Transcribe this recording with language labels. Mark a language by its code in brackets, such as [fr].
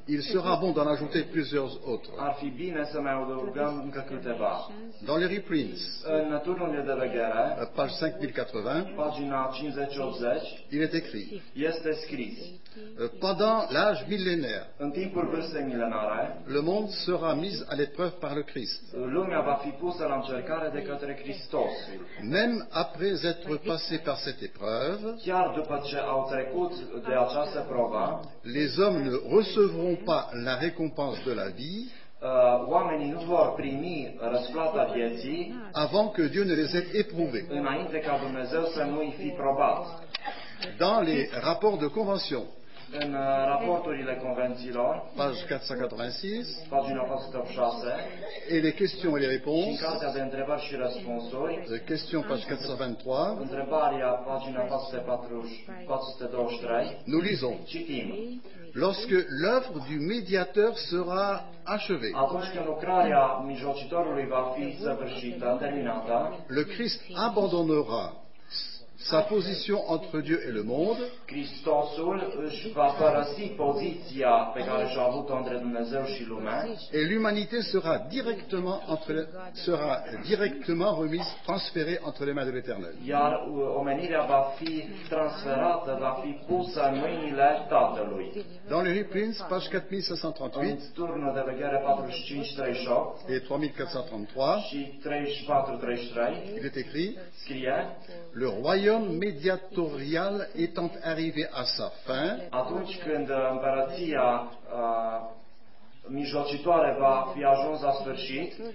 [fr] il sera bon d'en ajouter plusieurs autres. [ro] Ar fi bine să mai adăugăm încă câteva. [fr] Dans les reprints, [ro] în turnurile de veghere, [fr] page 5080, [ro] pagina 5080, [fr] il est écrit, [ro] este scris, [fr] pendant l'âge millénaire, [ro] în timpul vârstei milenare, [fr] le monde sera mis à l'épreuve par le Christ. [ro] Lumea va fi pusă la încercare de către Hristos. [fr] Même après être passé par cette épreuve, [ro] chiar după ce au trecut de această probă, [fr] les hommes ne recevront pas la récompense de la vie [ro] oamenii nu vor primi răsplata vieții [fr] avant que Dieu ne les ait éprouvés, [ro] înainte ca Dumnezeu să nu-i fi probat. [fr] Dans les rapports de convention, [ro] în raporturile convențiilor, [fr] page 486, [ro] pagina 486, [fr] et les questions et les réponses, [ro] în cartea de întrebări și răspunsuri, [fr] questions, page 423, [ro] întrebarea, pagina 423, [fr] nous lisons, [ro] citim, [fr] lorsque l'œuvre du médiateur sera achevée, [ro] atunci când lucrarea mijlocitorului va fi săvârșită, terminată, [fr] le Christ abandonnera sa position entre Dieu et le monde. [ro] Christosul își va părăsi poziția pe care și-a avut-o între Dumnezeu și lume. [fr] Et l'humanité sera directement remise, transférée entre les mains de l'Éternel. [ro] Iar omenirea va fi transferată, va fi pusă în mâinile Tatălui. [fr] Dans le reprints, page 4538. [ro] În turnul de veghere 4538. [fr] Et 3433. [ro] Și 3433. [fr] Il est écrit. [ro] Scrie. [fr] Le royaume médiatorial étant arrivé à sa fin, [ro] atunci când împărăția mijlocitoare va fi ajuns la sfârșit,